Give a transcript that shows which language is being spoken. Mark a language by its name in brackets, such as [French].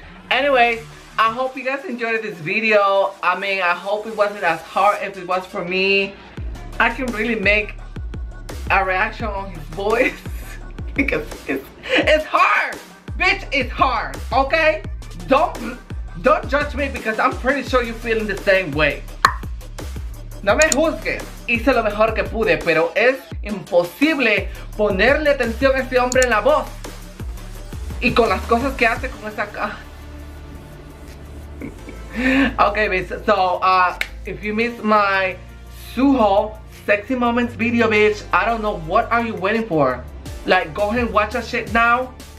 [English] Anyway, I hope you guys enjoyed this video. I mean, I hope it wasn't as hard as it was for me. I can really make a reaction on his voice because it's hard. Bitch, it's hard, okay? Don't judge me because I'm pretty sure you're feeling the same way. [Spanish] No me juzguen. Hice lo mejor que pude, pero es imposible ponerle atención a ese hombre en la voz. Y con las cosas que hace con esa cara. [English] Okay, bitch. So, if you missed my Suho sexy moments video, bitch, I don't know what are you waiting for. Like, go ahead and watch that shit now.